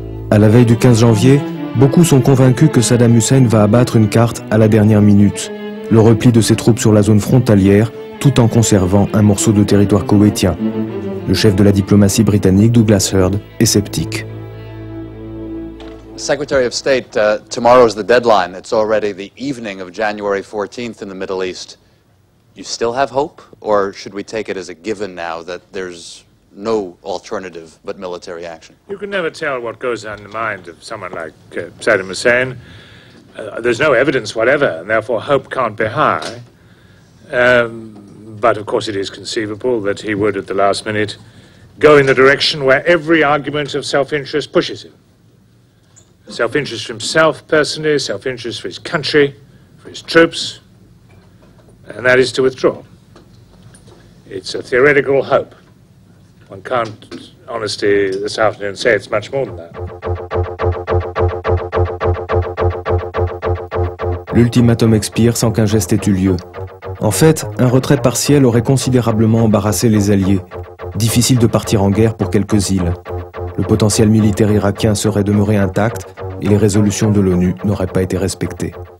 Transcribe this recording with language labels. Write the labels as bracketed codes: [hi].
[fr] À la veille du 15 janvier, beaucoup sont convaincus que Saddam Hussein va abattre une carte à la dernière minute, le repli de ses troupes sur la zone frontalière, tout en conservant un morceau de territoire koweïtien. Le chef de la diplomatie britannique, Douglas Hurd, est sceptique. [en] Secretary of State, tomorrow is the deadline. It's already the evening of January 14th in the Middle East. you still have hope, or should we take it as a given now that there's no alternative but military action? You can never tell what goes on in the mind of someone like Saddam Hussein. There's no evidence whatever, and therefore hope can't be high. But of course it is conceivable that he would at the last minute go in the direction where every argument of self-interest pushes him. Self-interest for himself personally, self-interest for his country, for his troops, and that is to withdraw. It's a theoretical hope. One can't honestly this afternoon say it's much more than that. [fr] L'ultimatum expire sans qu'un geste ait eu lieu. En fait, un retrait partiel aurait considérablement embarrassé les alliés. Difficile de partir en guerre pour quelques îles. Le potentiel militaire irakien serait demeuré intact et les résolutions de l'ONU n'auraient pas été respectées.